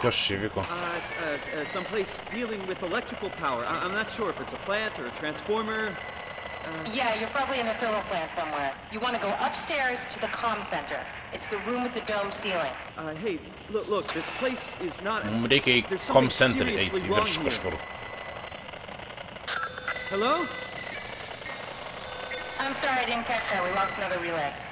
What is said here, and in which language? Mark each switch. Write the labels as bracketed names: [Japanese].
[Lithuanian] Kas čia vyko? [English] Someplace dealing with electrical power. I'm not sure if it's a plant or a transformer. Yeah, you're probably in a thermal plant somewhere. You want to go upstairs to the comm center. It's the room with the dome ceiling. Hey, look, this place is not... [Lithuanian] Reikia į comm center eiti virš kažkur. [English] Hello? I'm sorry, I didn't catch that. We lost another relay.